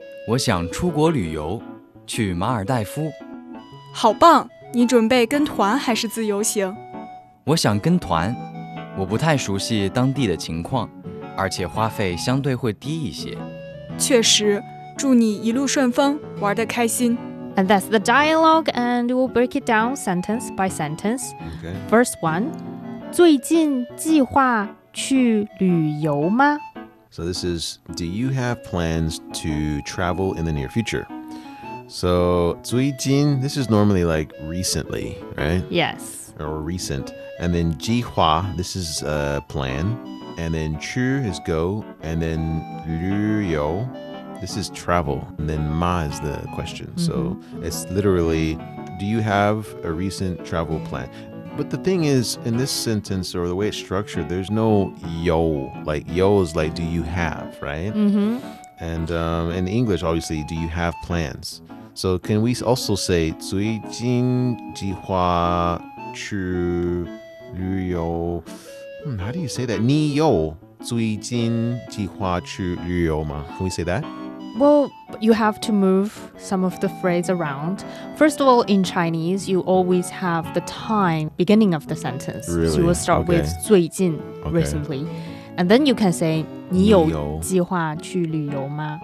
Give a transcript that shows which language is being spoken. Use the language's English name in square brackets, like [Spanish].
[Chinese] 我想出国旅游,去马尔代夫。好棒,你准备跟团还是自由行? 我想跟团,我不太熟悉当地的情况, 而且花费相对会低一些。确实,祝你一路顺风,玩得开心。 [English] And that's the dialogue, and we'll break it down sentence by sentence. Okay. First one, [Chinese] 最近计划去旅游吗? [English] So this is, do you have plans to travel in the near future? So, 最近, this is normally like recently, right? Yes. Or recent. And then 计划, this is a plan. And then 去 is go. And then 旅游, this is travel. And then 马 is the question. Mm-hmm. So it's literally, do you have a recent travel plan? But the thing is, in this sentence or the way it's structured, there's no yo. Like, yo is like, do you have, right? Mm-hmm. And in English, obviously, do you have plans? So can we also say, [Chinese] 最近计划去旅游? [English] How do you say that? [Chinese] 你有最近计划去旅游吗? [English] Can we say that? Well, you have to move some of the phrase around. First of all, in Chinese, you always have the time beginning of the sentence. Really? So you will start with 最近, recently. And then you can say [Chinese] 你有计划去旅游吗?